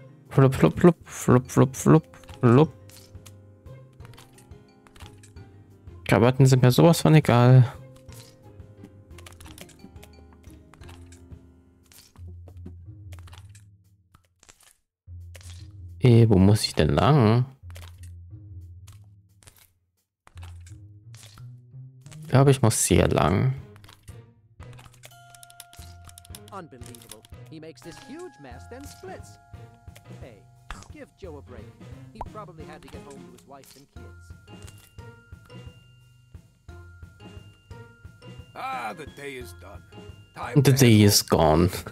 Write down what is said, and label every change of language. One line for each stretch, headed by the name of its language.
German: Flup, flup, flup, flup, flup, flup, flup. Krawatten sind mir sowas von egal. Ey, wo muss ich denn lang? Ich glaube, ich muss sehr lang.
English: Unbelievable. He makes this huge mess, then splits. Hey, give Joe a break. He probably had to get home to his wife and kids. Ah, the day is done. Time the day is gone.